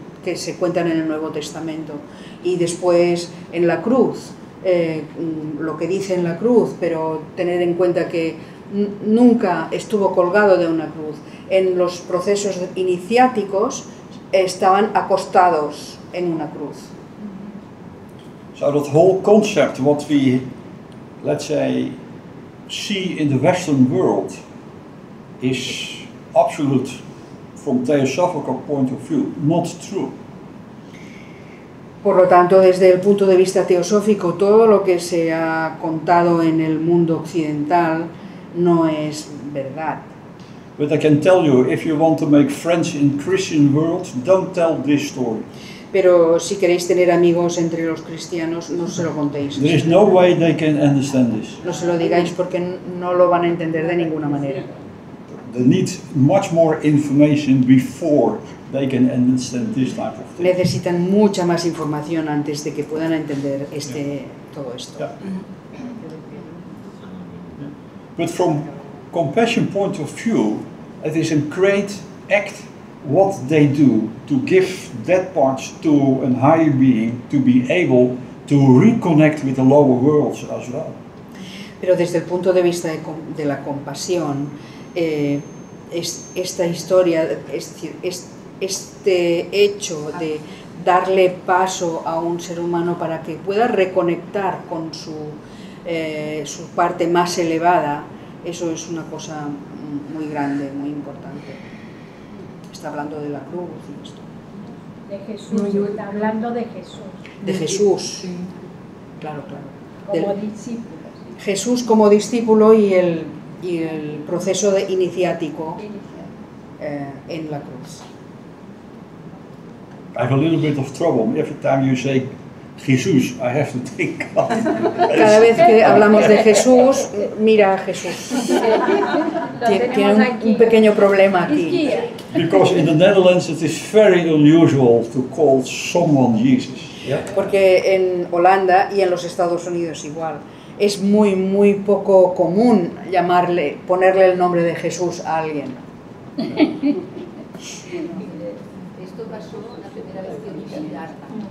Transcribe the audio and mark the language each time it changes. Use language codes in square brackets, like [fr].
[es] que se cuentan en el Nuevo Testamento. Y después en la cruz, lo que dice en la cruz, pero tener en cuenta que nunca estuvo colgado de una cruz. En los procesos iniciáticos estaban acostados en una cruz. [en] So that whole concept, what we, let's say, see in the Western world, is absolute, from theosophical point of view, not true. [es] Por lo tanto, desde el punto de vista teosófico, todo lo que se ha contado en el mundo occidental no es verdad. [en] But I can tell you, if you want to make friends in Christian world, don't tell this story. [es] Pero si queréis tener amigos entre los cristianos, no se lo contéis. [en] There is no way they can understand this. [es] No se lo digáis porque no lo van a entender de ninguna manera. [en] They need much more information before they can understand this type of thing. [es] Necesitan mucha más información antes de que puedan entender este todo esto. [en] But from compassion point of view, it is a great act what they do to give that part to a higher being to be able to reconnect with the lower worlds as well. [es] Pero desde el punto de vista de la compasión, esta historia, este hecho de darle paso a un ser humano para que pueda reconectar con su su parte más elevada, eso es una cosa muy grande, muy importante. Está hablando de la cruz y esto. De Jesús, está hablando de Jesús. De Jesús, sí. Claro, claro. Como del, discípulo. Sí. Jesús como discípulo y el proceso de iniciático en la cruz. [en] I have a little bit of trouble every time you say Jesús, I have to think of it. [es] Cada vez que hablamos de Jesús, mira a Jesús. Tiene un pequeño problema aquí. [en] Because in the Netherlands it is very unusual to call someone Jesus. [es] Porque en Holanda y en los Estados Unidos igual, es muy muy poco común llamarle, ponerle el nombre de Jesús a alguien. Esto pasó la primera vez que vi Siddhartha.